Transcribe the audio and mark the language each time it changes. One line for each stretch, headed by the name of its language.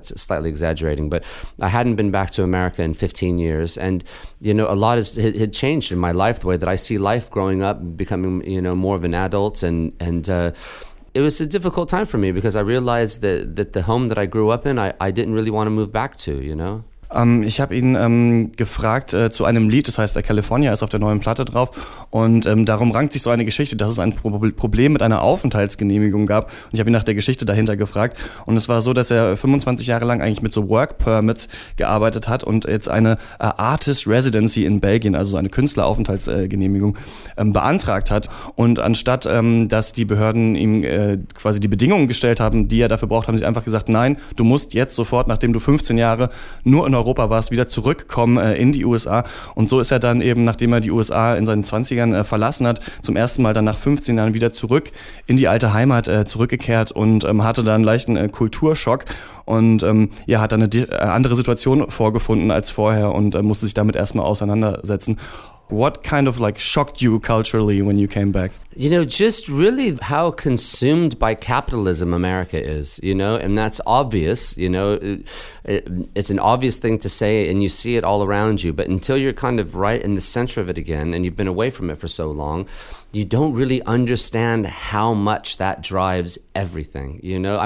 English: That's slightly exaggerating. But I hadn't been back to America in 15 years. And, you know, a lot had changed in my life, the way that I see life growing up, becoming, you know, more of an adult. And it was a difficult time for me because I realized that the home that I grew up in, I didn't really want to move back to, you know.
German: Ich habe ihn gefragt zu einem Lied, das heißt California ist auf der neuen Platte drauf, und darum rankt sich so eine Geschichte, dass es ein Problem mit einer Aufenthaltsgenehmigung gab, und ich habe ihn nach der Geschichte dahinter gefragt, und es war so, dass er 25 Jahre lang eigentlich mit so Work Permits gearbeitet hat und jetzt eine Artist Residency in Belgien, also eine Künstleraufenthaltsgenehmigung, beantragt hat, und anstatt dass die Behörden ihm quasi die Bedingungen gestellt haben, die er dafür braucht, haben sie einfach gesagt, nein, du musst jetzt sofort, nachdem du 15 Jahre nur in Europa war, es wieder zurückkommen in die USA. Und so ist er dann eben, nachdem er die USA in seinen 20ern verlassen hat, zum ersten Mal dann nach 15 Jahren wieder zurück in die alte Heimat zurückgekehrt und hatte dann einen leichten Kulturschock und hat dann eine andere Situation vorgefunden als vorher und musste sich damit erstmal auseinandersetzen.
English: What kind of like shocked you culturally when you came back? you know, just really how consumed by capitalism America is, you know, and that's obvious, you know, it's an obvious thing to say and you see it all around you. But until you're kind of right in the center of it again and you've been away from it for so long, you don't really understand how much that drives everything, you know?